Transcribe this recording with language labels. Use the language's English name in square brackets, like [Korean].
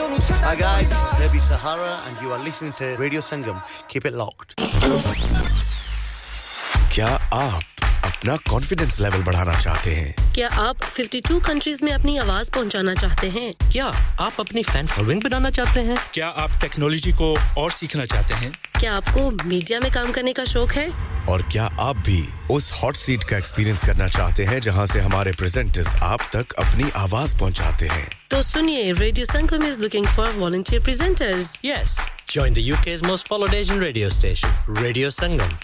[English] and you are listening to Radio Sangam. Keep it locked. [Hindi] क्या आप अपना confidence level बढ़ाना चाहते हैं? क्या आप 52 countries में अपनी आवाज़ पहुंचाना चाहते हैं? क्या आप अपनी fan following बढ़ाना चाहते हैं? क्या आप technology को और सीखना चाहते हैं? क्या आपको media में काम करने का शौक है? और क्या आप भी उस hot seat का experience करना चाहते हैं जहां से हमारे presenters आप तक अपनी आवाज़ पहुंचाते हैं? [English] So, Sunye, Radio Sangam is looking for volunteer presenters. Yes. Join the UK's most followed Asian radio station, Radio Sangam.